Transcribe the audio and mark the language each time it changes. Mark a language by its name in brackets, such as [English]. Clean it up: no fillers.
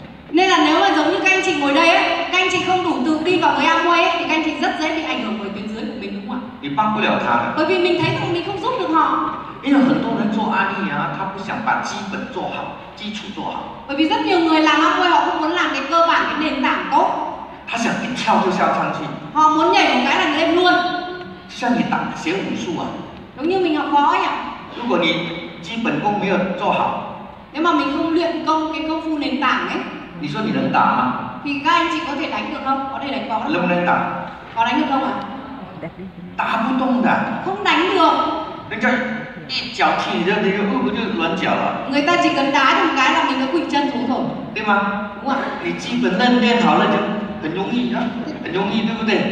[Vietnamese] nên là nếu mà giống như các anh chị ngồi đây ấy, các anh chị không đủ tự tin vào người em quay thì các anh chị rất dễ bị ảnh hưởng bởi tuyến dưới của mình, đúng không ạ? [Chinese] 你帮不了他。 [Vietnamese] bởi vì mình thấy rằng mình không giúp được họ. [Chinese] 因为很多人做案例啊，他不想把基本做好，基础做好。 [Vietnamese] Bởi vì rất nhiều người làm Amway họ không muốn làm cái cơ bản, cái nền tảng tốt. [Chinese] 他想一跳就跳上去。 [Vietnamese] Họ muốn nhảy một cái là lên luôn. [Chinese] 像你打学武术啊。 [Vietnamese] Giống như mình học võ ấy ạ. [Chinese] 如果你基本功没有做好。 [Vietnamese] Nếu mà mình không luyện công, cái công phu nền tảng ấy. [Chinese] 你说你能打吗? [Vietnamese] Thì các anh chị có thể đánh được không? Có thể đánh võ được không? [Chinese] 能不能打? [Vietnamese] Có đánh được không ạ? [Chinese] 打不动的。 [Vietnamese] Không đánh được. [Chinese] 人家 一脚踢你就软脚了. [Vietnamese] Người ta chỉ cần đá thì một cái là mình đã quỳnh chân xuống rồi. Đúng không? Đúng ạ. [Chinese] 你基本练好了就很容易啊，很容易，对不对？